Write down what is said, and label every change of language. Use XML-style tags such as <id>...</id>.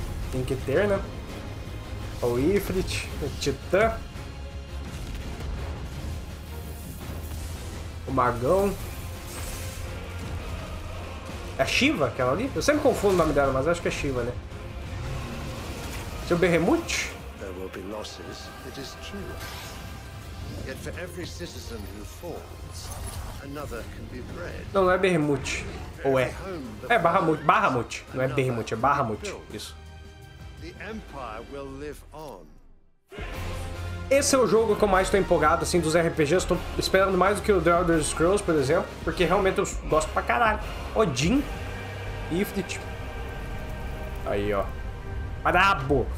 <pt>Tem que ter, né? O Ifrit, o Titã. O Magão. É a Shiva, aquela ali? Eu sempre confundo o nome dela, mas acho que é Shiva, né? Seu Behemoth?</pt> <en>There will be losses, it is true. Yet for every citizen who falls, another can be bred.</en> <pt>Não, não é Behemoth. Ou é? É Bahamut. Bahamut. Não é Behemoth, é Bahamut. Isso.</pt> <en>The Empire will live on.</en> <pt>Esse é o jogo que eu mais tô empolgado, assim, dos RPGs. Tô esperando mais do que o The Elder Scrolls, por exemplo. Porque realmente eu gosto pra caralho. Odin. Ifrit. Aí, ó. Brabo!</pt>